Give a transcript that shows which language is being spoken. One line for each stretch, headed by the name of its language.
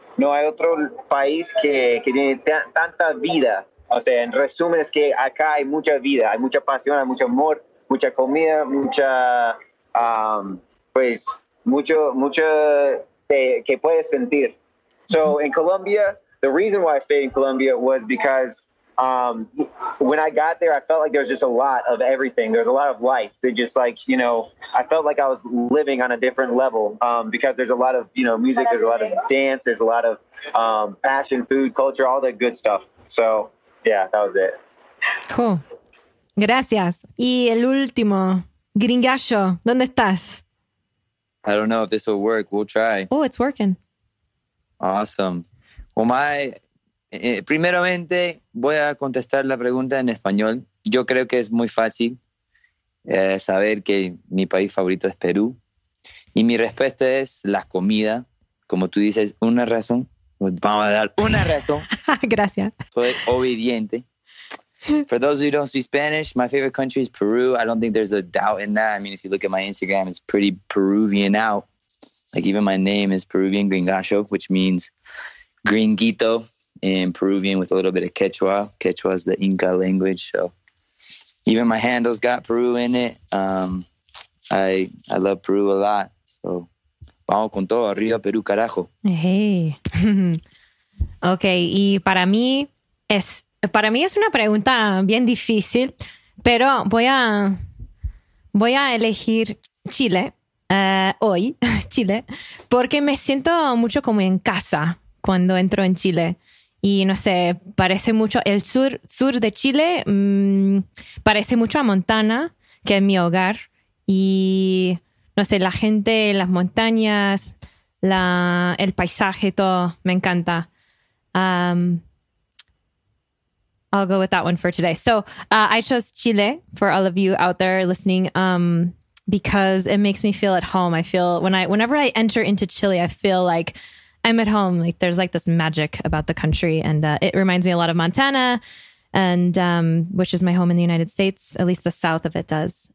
Spanish: No hay otro país que tiene tanta vida. O sea, en resumen, es que acá hay mucha vida, hay mucha pasión, hay mucho amor, mucha comida, mucha pues mucho que puedes sentir.
English: So in Colombia, the reason why I stayed in Colombia was because when I got there, I felt like there was just a lot of everything. There was a lot of life. They just like, you know, I felt like I was living on a different level because there's a lot of, you know, music, there's a lot of dance, there's a lot of fashion, food, culture, all that good stuff. So, yeah, that was it. Cool.
Spanish: Gracias. Y el último, Gringacho, ¿dónde estás?
English: I don't know if this will work. We'll try. Oh, it's working. Awesome. Well,
Spanish: primeramente, voy a contestar la pregunta en español. Yo creo que es muy fácil saber que mi país favorito es Perú. Y mi respuesta es la comida. Como tú dices, una razón. Vamos a dar una razón. Gracias. Soy obediente.
English: For those who don't speak Spanish, my favorite country is Peru. I don't think there's a doubt in that. I mean, if you look at my Instagram, it's pretty Peruvian out. Like, even my name is Peruvian Gringacho, which means gringuito. In Peruvian with a little bit of Quechua. Quechua is the Inca language. So even my handle's got Peru in it. I love Peru a lot.
Spanish: So vamos con todo, arriba Perú, carajo.
English: Hey.
Spanish: Okay, y para mí es una pregunta bien difícil, pero voy a elegir Chile hoy, Chile, porque me siento mucho como en casa cuando entro en Chile. Y no sé, parece mucho el sur de Chile, parece mucho a Montana, que es mi hogar. Y no sé, la gente, las montañas, el paisaje, todo, me encanta.
English: I'll go with that one for today. So I chose Chile for all of you out there listening because it makes me feel at home. I feel whenever I enter into Chile, I feel like I'm at home. Like there's like this magic about the country, and it reminds me a lot of Montana, and which is my home in the United States, at least the south of it does.